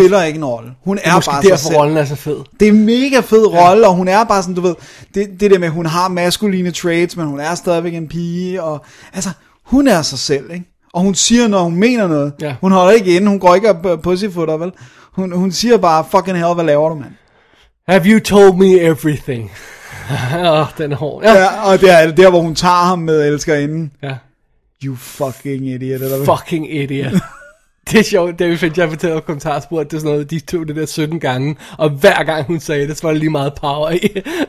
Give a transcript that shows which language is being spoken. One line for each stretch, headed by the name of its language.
Danish: Spiller ikke en rolle. Hun er bare derfor, sig selv. Rollen er så fed. Det er en mega fed rolle, og hun er bare sådan, du ved, det der med, at hun har maskuline traits, men hun er stadigvæk en pige, og altså, hun er sig selv, ikke? Og hun siger, når hun mener noget. Ja. Hun holder ikke inde, hun går ikke op pussyfooter, vel? Hun siger bare, fucking hell, hvad laver du, mand?
English: Have you told me everything?
Danish: Åh, den er hård. Ja, og det er der, hvor hun tager ham med elskerinden. Ja.
English: You fucking idiot,
Danish: eller hvad?
English: Fucking idiot.
Danish: Det er sjovt, David Fincher fortæller på kommentarsporet, at det er sådan noget, de tog det der 17 gange, og hver gang hun sagde det, så var det lige meget power i.